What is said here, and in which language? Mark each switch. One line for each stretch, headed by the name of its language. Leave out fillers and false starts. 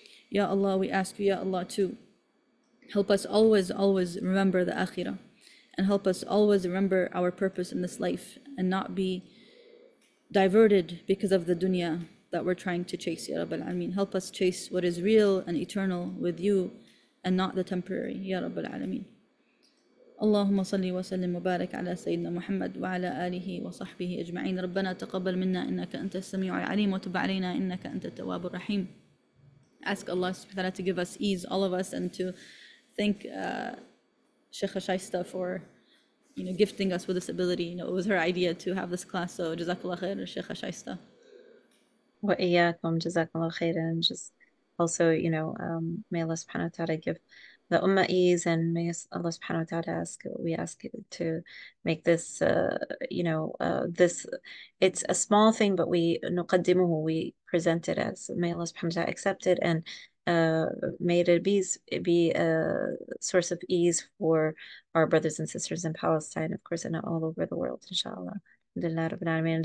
English: Ya Allah, we ask you, Ya Allah, to help us always, always remember the Akhirah and help us always remember our purpose in this life and not be diverted because of the dunya that we're trying to chase, Ya Rabbal Alameen. Help us chase what is real and eternal with you and not the temporary, Ya Rabbal Alameen.
Arabic: اللهم صل وسلم وبارك على سيدنا محمد وعلى آله وصحبه أجمعين ربنا تقبل منا إنك أنت السميع العليم وتب علينا إنك أنت التواب الرحيم.
English: Ask Allah subhanahu wa ta'ala to give us ease, all of us, and to thank Sheikha Shaista for, you know, gifting us with this ability. You know, it was her idea to have this class, so Jazakallah khair, Sheikha Shaista.
Arabic: وإياكم جزاكم خير.
English: And just also, you know, may Allah subhanahu wa ta'ala give the Ummah ease, and may Allah subhanahu wa ta'ala ask, we ask to make this, you know, this, it's a small thing, but we
Arabic: نقدمه,
English: we present it as, may Allah subhanahu wa ta'ala accept it, and may it be a source of ease for our brothers and sisters in Palestine, of course, and all over the world, inshallah. Alhamdulillah, Rabbil Alameen.